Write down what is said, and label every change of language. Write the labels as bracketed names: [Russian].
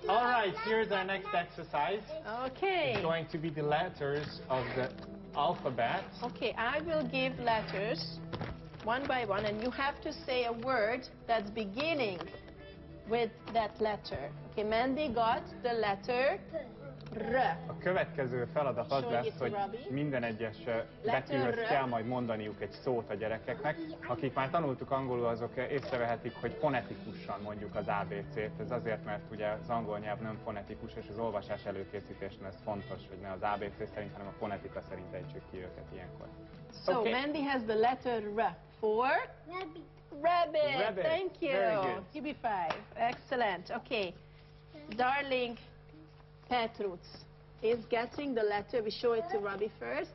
[English] All right, here's our next exercise. Okay. It's going to be the letters of the alphabet. Okay, I will give letters one by one, and you have to say a word that's beginning with that letter. Okay, Mandy got the letter R. [Hungarian] A következő feladat az lesz, hogy minden egyes betűhöz kell majd mondaniuk egy szót a gyerekeknek. Akik már tanultuk angolul, azok észrevehetik, hogy fonetikusan mondjuk az ABC-t. Ez azért, mert ugye az angol nyelv nem fonetikus, és az olvasás előkészítésnél ez fontos, hogy ne az ABC szerint, hanem a fonetika szerint ejtsük ki őket ilyenkor. [English] So, okay. Mandy has the letter R for? Rabbit. Thank you. Give me five. Excellent. Okay. Darling Petrus is getting the letter. We show it to Robbie first.